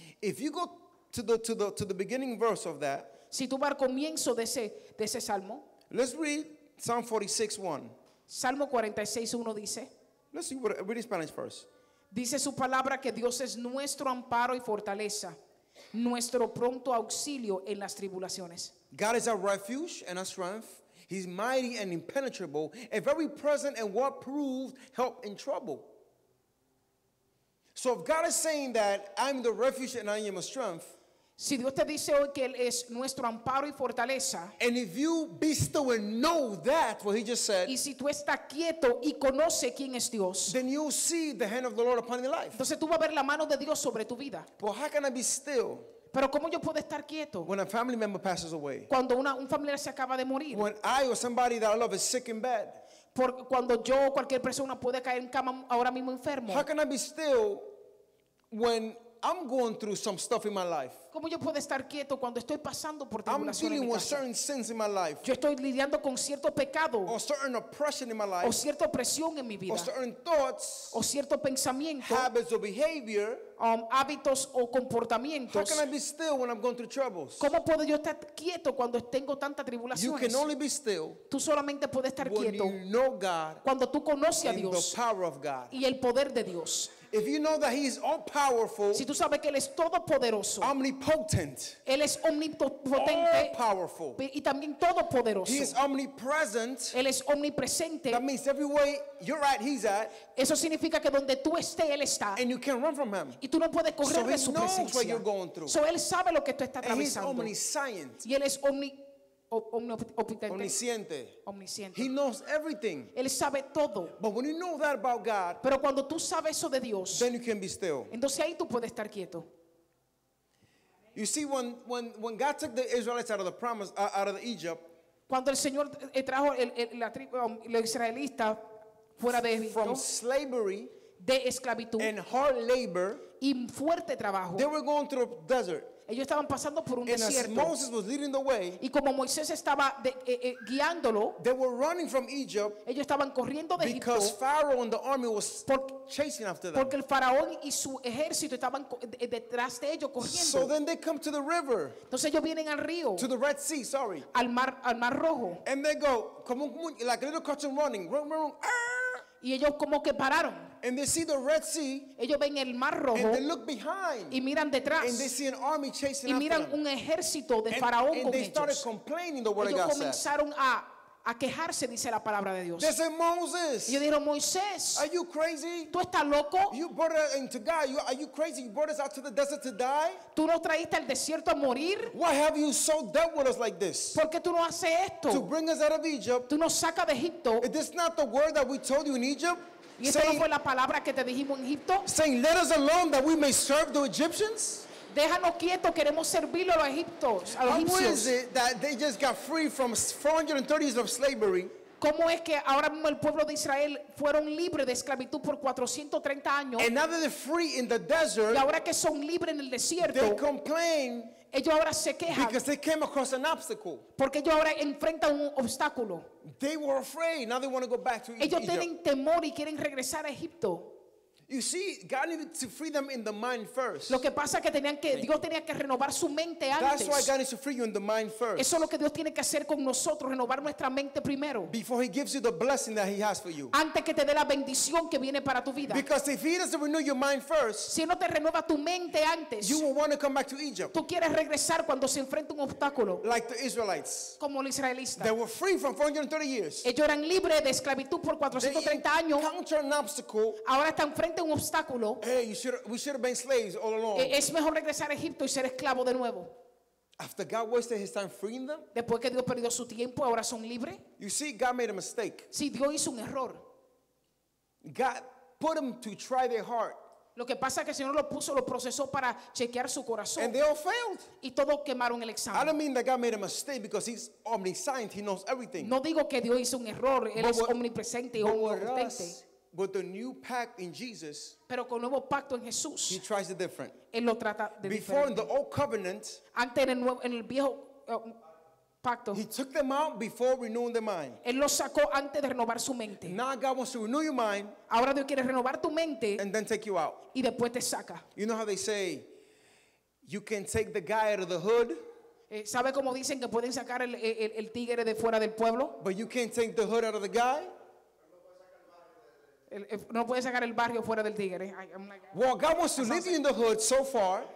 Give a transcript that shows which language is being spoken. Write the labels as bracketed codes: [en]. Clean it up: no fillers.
[en] If you go to the beginning verse of that. [es] Si tú vas al comienzo de ese salmo. [en] Let's read Psalm 46:1. [es] Salmo 46:1 dice. [en] Let's see, read in Spanish first. [es] Dice su palabra que Dios es nuestro amparo y fortaleza, nuestro pronto auxilio en las tribulaciones. [en] God is our refuge and our strength. He's mighty and impenetrable, a very present and well-proved help in trouble. So if God is saying that I'm the refuge and I am a strength, [es] Si Dios te dice hoy que Él es nuestro amparo y fortaleza, [en] and if you be still and know that, what He just said, [es] y si tú estás quieto y conoces quién es Dios, [en] then you'll see the hand of the Lord upon your life. [es] Entonces tú vas a ver la mano de Dios sobre tu vida. [en] But how can I be still? [es] Pero ¿cómo yo puedo estar quieto? [en] When a family member passes away. [es] Cuando un familiar se acaba de morir. [en] When I or somebody that I love is sick in bed. [es] Porque cuando yo o cualquier persona puede caer en cama ahora mismo enfermo. [en] How can I be still when I'm going through some stuff in my life? [es] ¿Cómo yo puedo estar quieto cuando estoy pasando por tribulación en mi casa? [en] I'm dealing with certain sins in my life. [es] Yo estoy lidiando con cierto pecado. [en] Or certain oppression in my life. [es] O cierta opresión en mi vida. [en] Or certain thoughts. [es] O cierto pensamiento. [en] Habits or behavior. [es] Hábitos o comportamientos. [en] How can I be still when I'm going through troubles? [es] ¿Cómo puedo yo estar quieto cuando tengo tanta tribulación? [en] You can only be still. [es] Tú solamente puedes estar quieto. [en] When you know God. [es] Cuando tú conoces a Dios. [en] And the power of God. [es] Y el poder de Dios. [en] If you know that He is all powerful. [es] Si tú sabes que Él es todopoderoso. [en] Omnipotent. [es] Él es omnipotente. [en] All powerful. [es] Y también todopoderoso. [en] He is omnipresent. [es] Él es omnipresente. [en] That means everywhere you're at, He's at. [es] Eso significa que donde tú estés, Él está. [en] And you can't run from Him. [es] Y tú no puedes correr [en] so [es] de su presencia. [en] So He knows what you're going through. So [es] Él sabe lo que tú estás atravesando. [en] And He's omniscient. [es] Y Él es omnisciente. [en] He knows everything. [es] Él sabe todo. [en] But when you know that about God, [es] pero cuando tú sabes eso de Dios, [en] then you can be still. [es] Entonces ahí tú puedes estar quieto. [en] You see, when God took the Israelites out of the promise, out of the Egypt, [es] cuando el Señor trajo la tribu, los israelitas fuera de Egipto, [en] from slavery, [es] de esclavitud, [en] and hard labor, [es] y fuerte trabajo, [en] they were going through a desert. [es] Ellos estaban pasando por un [en] and [es] desierto. [en] As Moses was leading the way, [es] y como Moisés estaba guiándolo, [en] they were running from Egypt. [es] Ellos estaban corriendo de Egipto. [en] Because Pharaoh and the army was chasing after them. [es] Porque el faraón y su ejército estaban detrás de ellos corriendo. [en] So then they come to the river. [es] Entonces ellos vienen al río. [en] To the Red Sea, sorry. [es] Al mar rojo. [en] And they go [es] como [en] like a little cartoon running, run, run, run. [es] Y ellos como que pararon. [en] And they see the Red Sea. [es] Ellos ven el mar rojo. [en] And they look behind. [es] Y miran detrás. [en] And they see an army chasing after them. [es] Y miran un ejército de faraón con ellos. [en] And they started complaining the word of God. [es] Ellos comenzaron a quejarse, dice la palabra de Dios. [en] They said, Moses. [es] Y ellos dijeron, Moisés. [en] Are you crazy? [es] ¿Tú estás loco? [en] You brought us into God. Are you crazy? You brought us out to the desert to die? [es] ¿Tú nos trajiste al desierto a morir? [en] Why have you so dealt with us like this? [es] ¿Por qué tú no haces esto? [en] To bring us out of Egypt. [es] ¿Tú nos sacas de Egipto? [en] Is this not the word that we told you in Egypt? [es] ¿Y esta no fue la palabra que te dijimos en Egipto? [en] Saying, let us alone that we may serve the Egyptians. [es] Déjanos quieto, queremos servirlo a los egipcios. [en] How is it that they just got free from 430 years of slavery? [es] ¿Cómo es que ahora mismo el pueblo de Israel fueron libres de esclavitud por 430 años? [en] And now that they're free in the desert. [es] Y ahora que son libres en el desierto. [en] They complain. [es] Ellos ahora se quejan. [en] Because they came across an obstacle. [es] Porque ellos ahora enfrentan un obstáculo. [en] They were afraid. Now they want to go back to Egypt. [es] Ellos tienen temor y quieren regresar a Egipto. [en] You see, God needed to free them in the mind first. [es] Lo que pasa es que tenían que Dios tenía que renovar su mente antes. [en] That's why God needs to free you in the mind first. [es] Eso es lo que Dios tiene que hacer con nosotros, renovar nuestra mente primero. [en] Before He gives you the blessing that He has for you. [es] Antes que te dé la bendición que viene para tu vida. [en] Because if He doesn't renew your mind first, [es] si no te renueva tu mente antes, [en] you will want to come back to Egypt. [es] Tú quieres regresar cuando se enfrenta un obstáculo. [en] Like the Israelites. [es] Como los israelitas. [en] They were free from 430 years. [es] Ellos eran libres de esclavitud por 430 años. [en] They encounter an obstacle. [es] Ahora están frente un obstáculo. [en] Hey, we should have been slaves all along. [es] Es mejor regresar a Egipto y ser esclavo de nuevo. [en] After God wasted His time freeing them. [es] Después que Dios perdió su tiempo, ahora son libres. [en] You see, God made a mistake. [es] Sí, Dios hizo un error. [en] God put them to try their heart. [es] Lo que pasa es que el Señor lo puso, lo procesó para chequear su corazón. [en] And they all failed. [es] Y todos quemaron el examen. [en] I don't mean that God made a mistake because He's omniscient, He knows everything. [es] No digo que Dios hizo un error, Él es omnipresente y omnipotente. [en] But the new pact in Jesus, [es] pero con nuevo pacto en Jesús, [en] He tries it different. [es] Él lo trata de [en] before In the old covenant, [es] antes en el viejo pacto, [en] He took them out before renewing their mind. [es] Él lo sacó antes de renovar su mente. [en] Now God wants to renew your mind. [es] Ahora Dios quiere renovar tu mente. [en] And then take you out. [es] Y después te saca. [en] You know how they say, you can take the guy out of the hood. [es] ¿Sabe cómo dicen que pueden sacar el tigre de fuera del pueblo? [en] But you can't take the hood out of the guy. [es] No puede sacar el barrio fuera del tigre. [en] Well, God wants to leave you in the hood so far.